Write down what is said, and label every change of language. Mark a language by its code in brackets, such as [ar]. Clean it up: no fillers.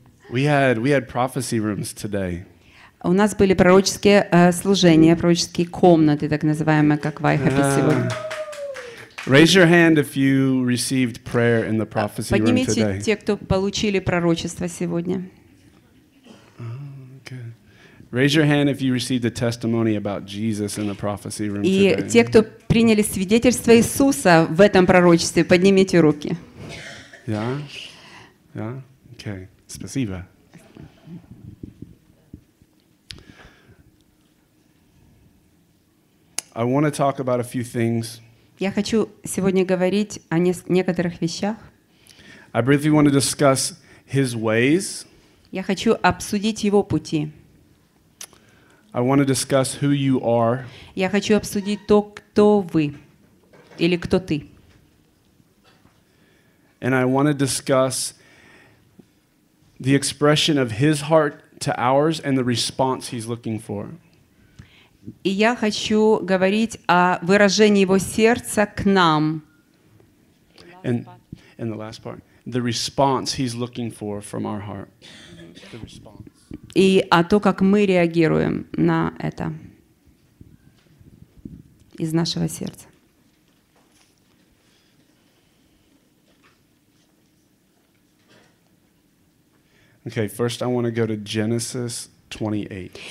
[en] We had prophecy rooms today. [ru] У нас были пророческие служения, пророческие комнаты, так называемые, как в Айхабе сегодня. [en] Raise your hand if you received prayer in the prophecy room today. [ru] Поднимите те, кто получили пророчество сегодня. [en] Raise your hand if you received a testimony about Jesus in the prophecy room today. [ru] И те, кто приняли свидетельство Иисуса в этом пророчестве, поднимите руки. [en] Yeah. Okay. [ru] Спасибо. [en] I want to talk about a few things. [ru] Я хочу сегодня говорить о некоторых вещах. [en] I briefly want to discuss his ways. [ru] Я хочу обсудить его пути. [en] I want to discuss who you are. [ru] Я хочу обсудить то, кто вы или кто ты. [en] And I want to discuss the expression of his heart to ours and the response he's looking for. [ru] И я хочу говорить о выражении его сердца к нам. [en] And the last part, the response he's looking for from our heart. The response. [ru] И о то, как мы реагируем на это из нашего сердца. [en] Okay, first I want to go to Genesis 28.